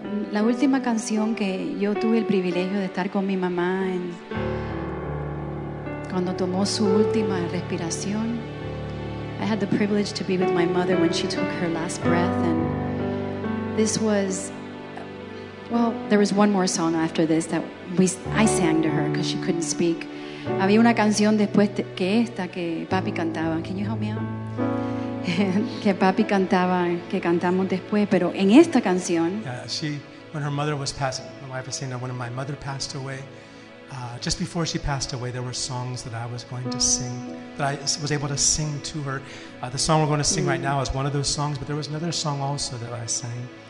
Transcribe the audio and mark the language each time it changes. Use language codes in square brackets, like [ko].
[es] La última canción que yo tuve el privilegio de estar con mi mamá en, cuando tomó su última respiración. [en] I had the privilege to be with my mother when she took her last breath, and this was, well, there was one more song after this that I sang to her because she couldn't speak. [es] Había una canción después que esta que papi cantaba. [en] Can you help me out? [es] Que papi cantaba, que cantamos después, pero en esta canción. [en] When her mother was passing, my wife was saying that when my mother passed away, just before she passed away, there were songs that I was going to sing, that I was able to sing to her. The song we're going to sing right now is one of those songs, but there was another song also that I sang.